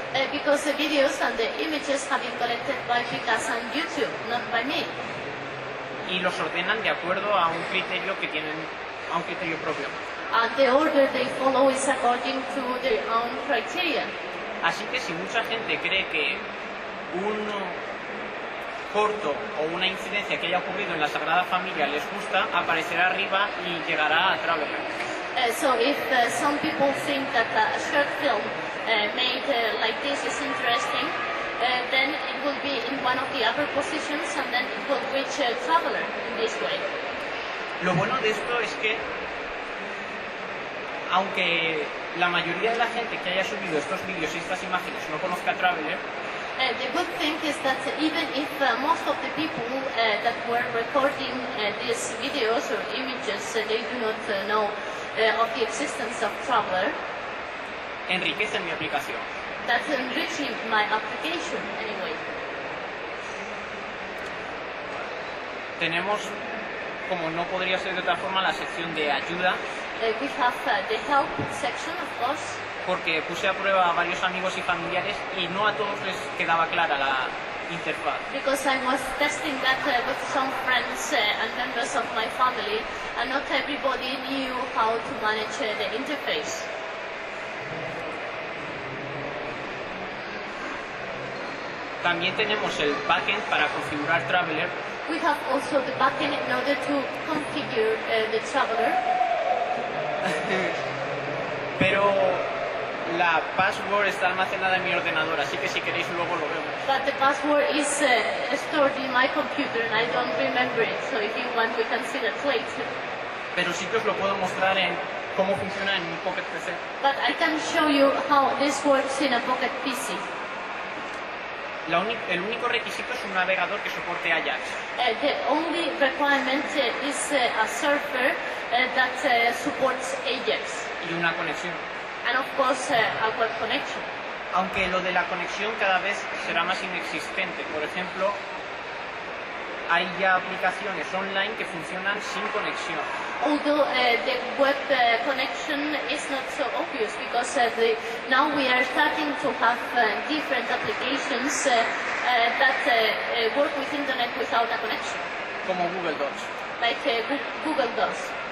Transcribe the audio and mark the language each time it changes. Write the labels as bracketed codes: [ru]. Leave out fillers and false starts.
[en] Because the videos and the images have been collected by Picasa and YouTube, not by me. [es] Y los ordenan de acuerdo a un criterio que tienen. Aunque tenga propio. [en] And the order they follow is according to their own criteria. [es] Así que si mucha gente cree que un corto o una incidencia que haya ocurrido en la Sagrada Familia les gusta, aparecerá arriba y llegará a Traveler. [en] So if some people think that a short film made like this is interesting, then it will be in one of the other positions and then it will reach Traveler in this way. [es] Lo bueno de esto es que, aunque la mayoría de la gente que haya subido estos vídeos y estas imágenes no conozca a Traveler, [en] the good thing is that even if most of the people that were recording these videos or images, they do not know of the existence of Traveler, [es] enriquecen mi aplicación. [en] That's enriching my application anyway. [es] Tenemos, como no podría ser de otra forma, la sección de ayuda. [en] We have the help section, of course. [es] Porque puse a prueba a varios amigos y familiares y no a todos les quedaba clara la interfaz. [en] Because I was testing that with some friends and members of my family and not everybody knew how to manage the interface. [es] También tenemos el backend para configurar Traveler. [en] We have also the backend in order to configure the Traveler. [es] Pero la password está almacenada en mi ordenador, así que si queréis luego lo vemos. [en] But the password is stored in my computer and I don't remember it, so if you want we can see that later. [es] Pero sí que os lo puedo mostrar en cómo funciona en un Pocket PC. [en] But I can show you how this works in a Pocket PC. [es] El único requisito es un navegador que soporte Ajax. [en] The only requirement is a server that supports Ajax. [es] Y una conexión. [en] And of course a web connection. [es] Aunque lo de la conexión cada vez será más inexistente. Por ejemplo, hay ya aplicaciones online que funcionan sin conexión. [en] Although the web connection is not so obvious because now we are starting to have different applications that work with internet without a connection. [es] Como Google Docs. [en] Like Google Docs.